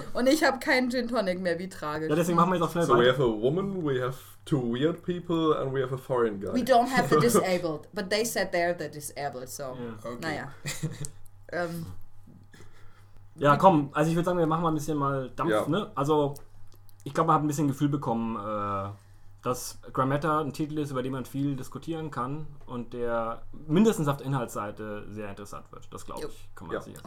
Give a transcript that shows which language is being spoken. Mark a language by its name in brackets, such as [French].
[German] Und ich habe keinen Gin Tonic mehr, wie tragisch. Ja, deswegen machen wir jetzt auch schnell weiter. [English] So, we have a woman, we have two weird people and we have a foreign guy. We don't have the disabled, but they said they're the disabled, so, yeah. [German] Okay. Naja. Ja, komm, also ich würde sagen, wir machen mal ein bisschen mal Dampf, ne? Also, ich glaube, man hat ein bisschen Gefühl bekommen, dass Grammetta ein Titel ist, über den man viel diskutieren kann und der mindestens auf der Inhaltsseite sehr interessant wird. Das glaube ich, kann man sicher sagen.